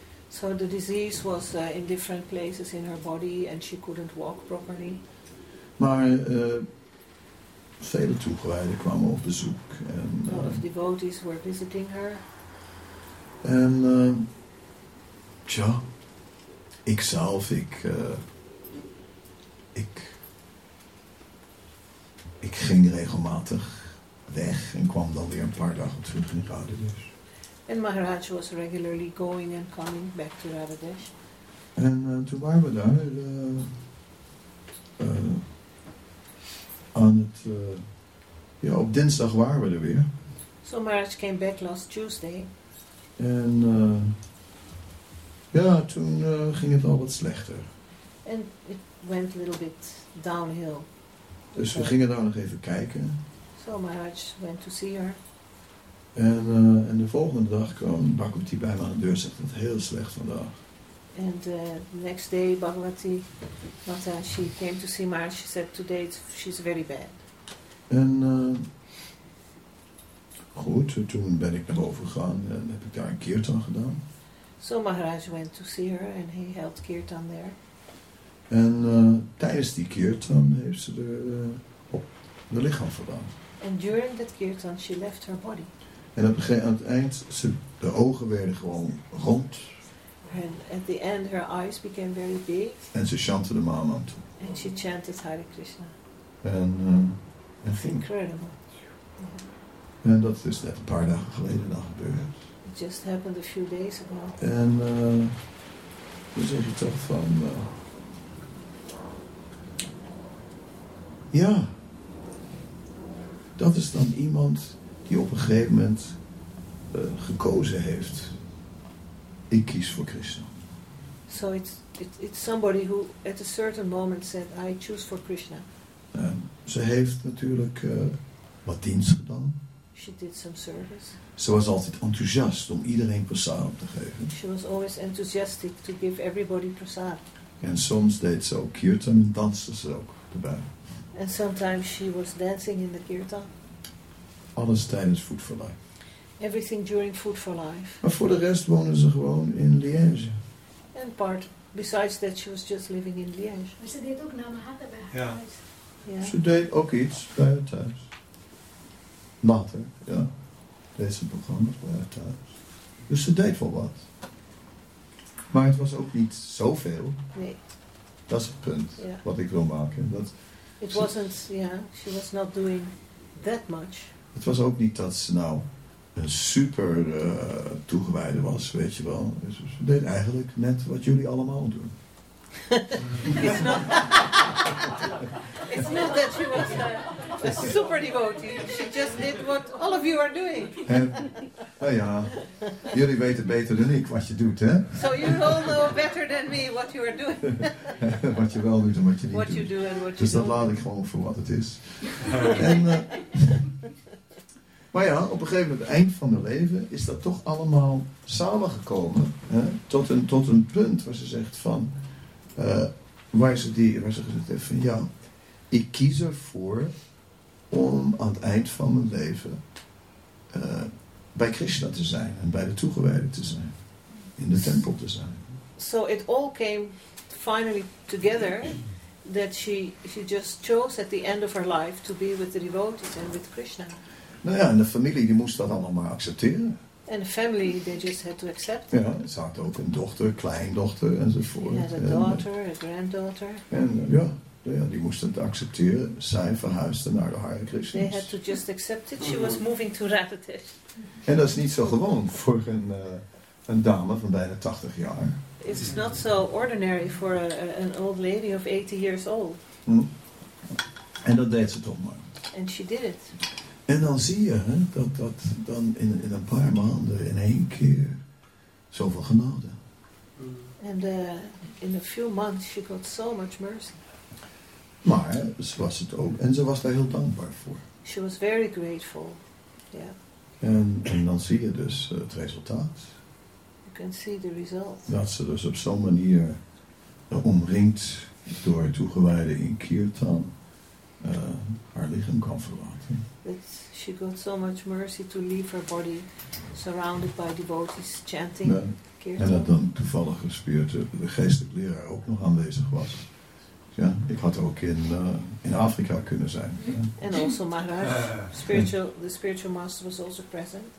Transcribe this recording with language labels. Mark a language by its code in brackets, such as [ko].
[en] So the disease was in different places in her body and she couldn't walk properly. [nl] Maar Vele toegewijden kwamen op bezoek. En, [en] a lot of devotees were visiting her. [nl] En tja, ikzelf, ik ging regelmatig weg en kwam dan weer een paar dagen terug in Radhadesh. [en] En Maharaj was regularly going and coming back to Radhadesh. [nl] En toen waren we daar aan het ja, op dinsdag waren we er weer. [en] So Maharaj came back last Tuesday. [nl] En ja, toen ging het al wat slechter. [en] And it went a little bit downhill. [nl] Dus we gingen daar nog even kijken. [en] So Maharaj went to see her. [nl] En de volgende dag kwam Bhagavati bij me aan de deur en zegt dat heel slecht vandaag. [en] And the next day Bhagavati Mata, she came to see Maharaj, she said today she's very bad. [nl] En goed, toen ben ik naar boven gegaan en heb ik daar een kirtan gedaan. [en] So Maharaj went to see her and he held kirtan there. [nl] En tijdens die kirtan heeft ze er op de lichaam gedaan. [en] And during that kirtan she left her body. [nl] En op aan het eind, de ogen werden gewoon rond. [en] And at the end her eyes became very big. [nl] En ze chantte de maamantra. [en] And she chanted Hare Krishna. [nl] En ging. [en] Incredible. Yeah. [nl] En dat is net een paar dagen geleden dan gebeurd. [en] It just happened a few days ago. [nl] En dan zeg je toch van... ja. Dat is dan iemand die op een gegeven moment gekozen heeft. Ik kies voor Krishna. [en] So it's somebody who at a certain moment said, I choose for Krishna. [nl] Ze heeft natuurlijk wat dienst gedaan. [en] She did some service. [nl] Ze was altijd enthousiast om iedereen prasadam te geven. [en] She was always enthusiastic to give everybody prasad. [nl] En soms deed ze ook kirtan en danste ze ook erbij. [en] And sometimes she was dancing in the kirtan. [nl] Alles tijdens Food for Life. [en] Everything during Food for Life. [nl] Maar voor de rest wonen ze gewoon in Liège. [en] And part besides that she was just living in Liège. [nl] Maar ze deed ook namen hadden bij haar. Ze deed ook iets bij haar thuis. Later, ja. Deze programma's bij haar thuis. Dus ze deed wel wat. Maar het was ook niet zoveel. Nee. Dat is het punt wat ik wil maken. Dat [en] it wasn't, she was not doing that much. [nl] Het was ook niet dat ze nou een super toegewijde was, weet je wel. Dus ze deed eigenlijk net wat jullie allemaal doen. [en] It's not that she was a super devotee. She just did what all of you are doing. [nl] Nou ja, jullie weten beter dan ik wat je doet, hè? [en] So you all know better than me what you are doing. [nl] Wat je wel doet en wat je niet [en] what [nl] doet. [en] You do and what [nl] dus [en] you [nl] Laat ik gewoon voor wat het is. maar ja, op een gegeven moment, het eind van haar leven, is dat toch allemaal samengekomen. Tot een punt waar ze zegt van... Waar ze gezegd heeft van ja, ik kies ervoor om aan het eind van mijn leven bij Krishna te zijn en bij de toegewijden te zijn, in de tempel te zijn. [en] So it all came finally together that she just chose at the end of her life to be with the devotees and with Krishna. [nl] Nou ja, en de familie die moest dat allemaal maar accepteren. [en] And the family, they just had to accept. [nl] Ja, ze had ook een dochter, kleindochter enzovoort. [en] She had a daughter, a granddaughter. [nl] En ja, die moesten het accepteren. Zij verhuisde naar de Hare Krishna. [en] They had to just accept it. She was moving to Radhadesh. [nl] En dat is niet zo gewoon voor een dame van bijna 80 jaar. [en] It's not so ordinary for an old lady of 80 years old. [nl] En dat deed ze toch maar. [en] And she did it. [nl] En dan zie je dat dan in een paar maanden in één keer zoveel genade. [en] And in a few months she got so much mercy. [nl] Maar ze was het ook en ze was daar heel dankbaar voor. [en] She was very grateful. Yeah. [nl] En dan zie je dus het resultaat. [en] You can see the result. [nl] Dat ze dus op zo'n manier omringd door toegewijden in kirtan haar lichaam kan verlaten. [en] That she got so much mercy to leave her body surrounded by devotees chanting kirtan. [nl] En dat dan toevallig de geestelijke leraar ook nog aanwezig was. Ja, ik had ook in Afrika kunnen zijn. En ja. [en] Also Maharaj, spiritual, the spiritual master was also present.